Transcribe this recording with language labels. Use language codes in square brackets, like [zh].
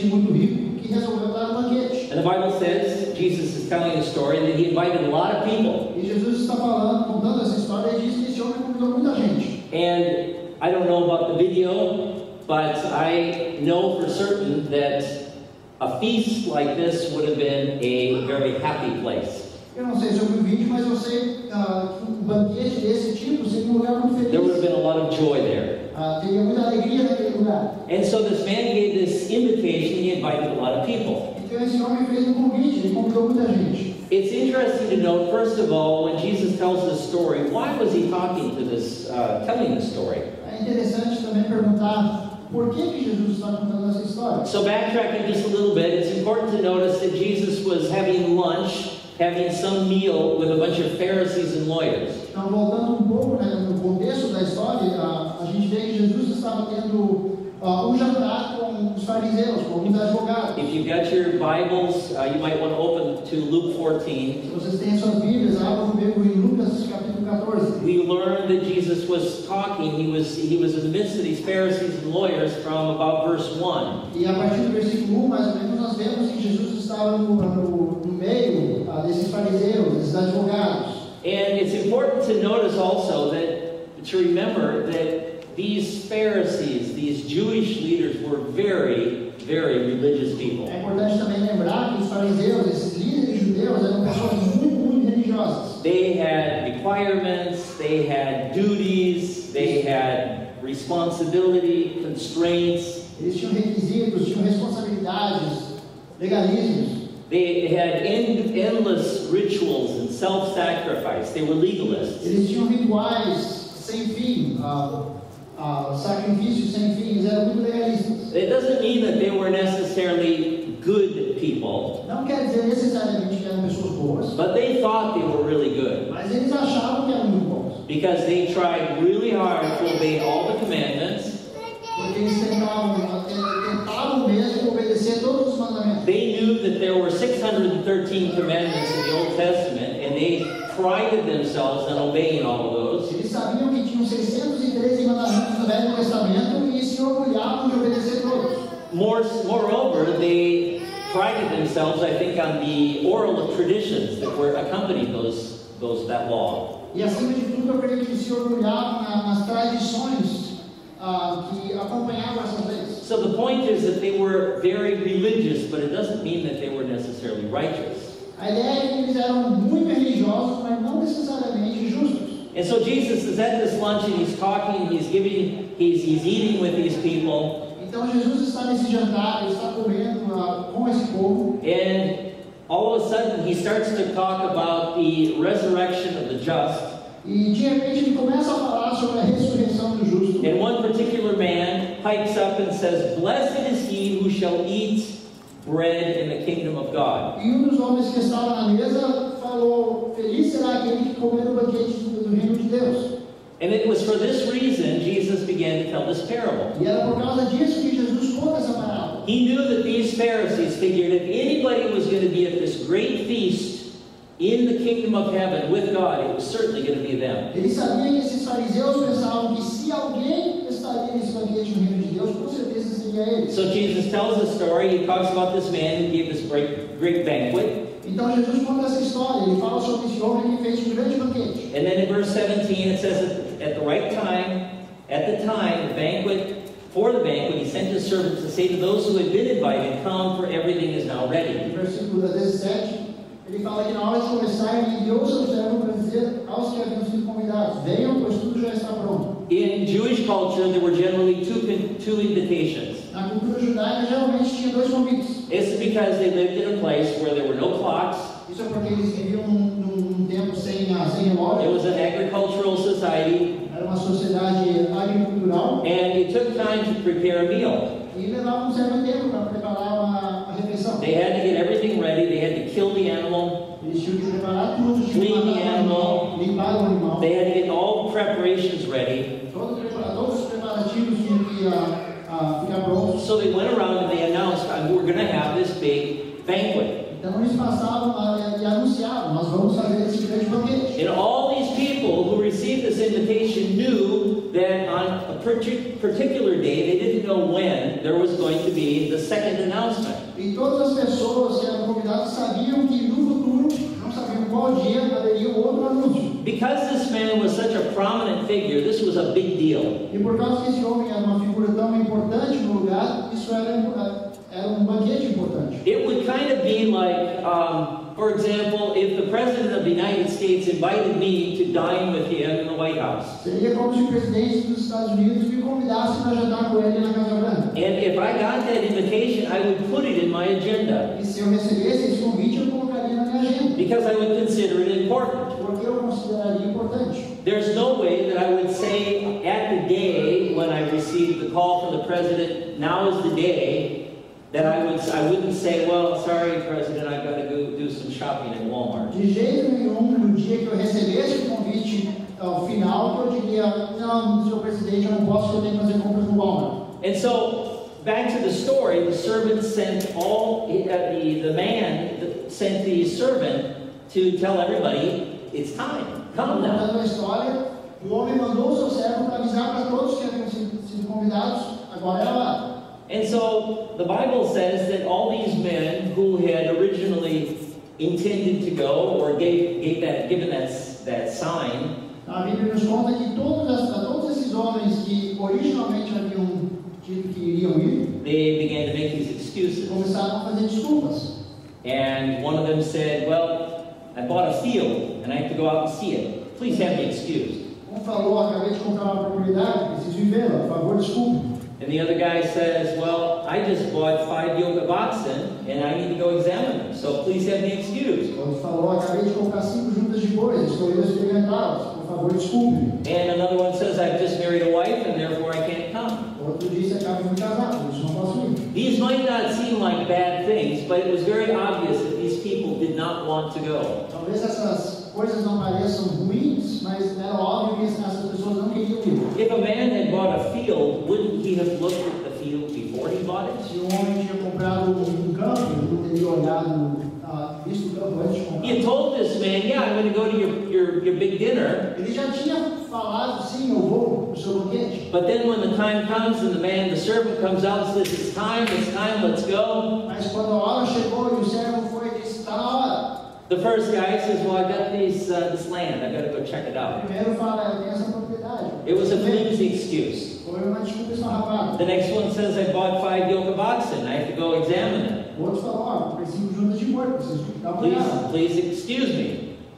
[en] And the Bible says, Jesus is telling the story, that he invited a lot of people. And I don't know about the video, but I know for certain that a feast like this would have been a very happy place. [pt] Eu não sei sobre o vídeo, mas eu sei que um banquete desse tipo seria um lugar muito feliz. [en] There would have been a lot of joy there. [pt] Teria muita alegria naquele lugar. [en] And so this man gave this invitation, he invited a lot of people. [pt] Então esse homem fez um convite, ele convidou muita gente. [en] It's interesting to note, first of all, when Jesus tells this story, why was he talking to this, telling this story? [pt] É interessante também perguntar. Por que Jesus está contando essa história? [en] So backtracking just a little bit, it's important to notice that Jesus was having lunch, having some meal with a bunch of Pharisees and lawyers. [pt] Então, voltando pouco, né, no contexto da história, a gente vê que Jesus estava tendo jantar com os fariseus, com os advogados. [en] If you've got your Bibles, you might want to open to to Luke 14, [pt] vocês têm suas Bíblias, abram comigo em Lucas capítulo 14. [en] We learn that Jesus was talking, he was in the midst of these Pharisees and lawyers from about verse 1. [pt] E a partir do versículo 1, mais ou menos, nós vemos que Jesus estava no meio desses fariseus, desses advogados. [en] And it's important to notice also that, to remember that these Pharisees, these Jewish leaders were very, very religious people. [pt] É importante também lembrar que os fariseus, esses líderes judeus, eram pessoas muito, muito religiosas. [en] They had requirements, they had duties, they had responsibility, constraints. [pt] Eles tinham requisitos, tinham responsabilidades, legalismos. [en] They had endless rituals and self-sacrifice. They were legalists. [pt] Eles tinham rituais sem fim, sacrifícios sem fim, eles eram muito legalistas. [en] It doesn't mean that they were necessarily good people. [pt] Não quer dizer necessariamente que eram pessoas boas. [en] But they thought they were really good. [pt] Mas eles achavam que eram muito bons. [en] Because they tried really hard to obey all the commandments. [pt] Porque eles tentavam mesmo obedecer todos os mandamentos. [en] They knew that there were 613 commandments in the Old Testament, and they prided themselves on obeying all of those. [pt] Eles sabiam que tinham 613 mandamentos no Velho Testamento e se orgulhavam de obedecer todos. [en] Moreover, they prided themselves, I think, on the oral traditions that were accompanied that law. [pt] E acima de tudo, eu creio que se orgulhavam nas tradições que acompanhavam essas leis. [en] So the point is that they were very religious, but it doesn't mean that they were necessarily righteous. [pt] A ideia é que eles eram muito religiosos, mas não necessariamente justos. [en] And so Jesus is at this lunch and he's talking, he's eating with these people. [pt] Então Jesus está nesse jantar, ele está comendo com esse povo. [en] And all of a sudden he starts to talk about the resurrection of the just. [pt] E de repente ele começa a falar sobre a ressurreição do justo. [en] And one particular man pipes up and says, "Blessed is he who shall eat bread in the kingdom of God." [pt] E um dos homens que estava na mesa falou, "Feliz será aquele que comer o banquete do reino de Deus." [en] And it was for this reason Jesus began to tell this parable. [pt] E era por causa disso que Jesus conta essa parábola. [en] He knew that these Pharisees figured if anybody was going to be at this great feast in the kingdom of heaven with God, it was certainly going to be them. [pt] Ele sabia que esses fariseus pensavam que se alguém estaria nesse banquete do reino de Deus, com certeza seria ele. [en] So Jesus tells a story. He talks about this man who gave this great banquet. [pt] Então Jesus conta essa história. Ele fala sobre esse homem que fez um grande banquete. [en] And then in verse 17 it says, at the time, the banquet, he sent his servants to say to those who had been invited, "Come, for everything is now ready." [pt] Versículo 17. Ele fala que na hora de começar, ele enviou seu servo para dizer aos que haviam sido convidados, "Venham, pois tudo já está pronto." [en] In Jewish culture, there were generally two invitations. [pt] Na cultura judaica, geralmente tinha dois convites. [en] It's because they lived in a place where there were no clocks. [pt] Isso é porque eles viviam num tempo sem relógio. [en] It was an agricultural society. [pt] Era uma sociedade agricultural. [en] And it took time to prepare a meal. [pt] E levava um certo tempo para preparar uma refeição. [en] They had to get everything ready. They had to kill the animal. [pt] Eles tinham que preparar tudo. [en] Clean the animal. [pt] Limpar o animal. [en] They had to get all preparations ready. [pt] Todos os preparativos tinham que ficar prontos. [en] So they went around and they announced, "We're going to have this big banquet." [pt] Então eles passavam e anunciavam, "Nós vamos fazer esse grande banquete." [en] And all these people who received this invitation knew that on a particular day, they didn't know when, there was going to be the second announcement. [pt] E todas as pessoas que eram convidadas sabiam que no futuro, não sabiam qual dia, haveria outro anúncio. [en] Because this man was such a prominent figure, this was a big deal. [pt] E por causa que esse homem era uma figura tão importante no lugar, isso era um banquete importante. [en] It would kind of be like, for example, if the President of the United States invited me to dine with him in the White House. [pt] Seria como se o presidente dos Estados Unidos me convidasse para jantar com ele na Casa Branca. [en] And if I got that invitation, I would put it in my agenda. [pt] E se eu recebesse esse convite, eu colocaria na minha agenda. [en] Because I would consider it important. [pt] Porque eu consideraria importante. [en] There's no way that I would say at the day when I received the call from the President, "Now is the day," that I wouldn't say, "Well, sorry, President, I've got to go do some shopping at Walmart." [pt] De jeito nenhum, no dia que eu recebesse o convite ao final, eu diria, "Não, senhor presidente, eu não posso, eu tenho que fazer compras no Walmart." [en] And so, back to the story, the servant sent all the man sent the servant to tell everybody, it's time, come now. [pt] Contando a história, o homem mandou seu servo para avisar para todos que haviam sido convidados, agora é lá. [en] And so the Bible says that all these men who had originally intended to go or given that sign. [pt] A Bíblia nos conta que todos esses homens que originalmente haviam dito que iriam ir, [en] they began to make these excuses. [pt] Começaram a fazer desculpas. [en] And one of them said, well, I bought a field and I have to go out and see it. Please have me excused. [pt] Um falou, acabei de comprar uma propriedade, preciso ir vê-la, por favor, desculpe. [en] And the other guy says, well, I just bought 5 yoke of oxen and I need to go examine them, so please have me excused. [pt] Outro falou, acabei de comprar 5 juntas de bois, estou indo experimentá-las, por favor, desculpe. [en] And another one says, I've just married a wife and therefore I can't come. [pt] Outro disse, acabei de casar, por isso não posso ir. [en] These might not seem like bad things, but it was very obvious that these people did not want to go. [pt] Talvez essas coisas não pareçam ruins, mas era óbvio que essas pessoas não queriam ir. [en] If a man had bought a field, wouldn't he have looked at the field before he bought it? [pt] Se um homem tinha comprado um campo, não teria olhado, visto o campo antes de comprar. [en] He told this man, yeah, I'm going to go to your big dinner. [pt] Ele já tinha falado, sim, eu vou pro seu banquete. [en] But then when the time comes and the servant comes out and says, it's time, let's go. [pt] Mas quando a hora chegou e o servo foi, disse, está na hora. [en] The first guy says, well, I've got this land, I've got to go check it out. It was a flimsy excuse. The next one says, I bought 5 yoke of oxen, I have to go examine it. Please excuse me.